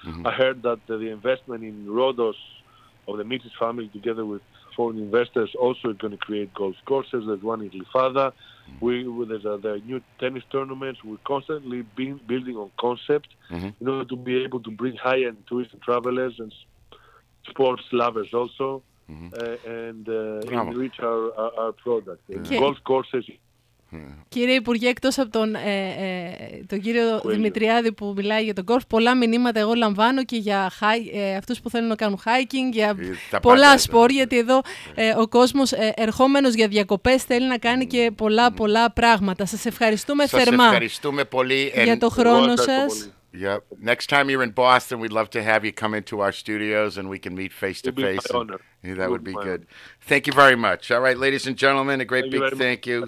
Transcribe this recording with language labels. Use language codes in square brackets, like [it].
[en] I heard that the investment in Rhodos of the Mitsis family together with foreign investors also are going to create golf courses. There's one in Glyfada. There are new tennis tournaments. We're constantly building on concept in order to be able to bring high-end tourist travelers and sports lovers also and enrich our product. Yeah. Golf courses. [el] Κύριε Υπουργέ, εκτός από τον κύριο Δημητριάδη που μιλάει για τον golf, πολλά μηνύματα εγώ λαμβάνω και για αυτούς που θέλουν να κάνουν hiking, για πολλά σπορ, γιατί εδώ ο κόσμος ερχόμενος για διακοπές θέλει να κάνει και πολλά πολλά πράγματα. Σας ευχαριστούμε θερμά. Σας ευχαριστούμε πολύ για το χρόνο σας. [en] Next time you're in Boston, we'd love to have you come into our studios and we can meet face to face. That would be good. Thank you very much. All right, ladies and gentlemen, a great big thank you.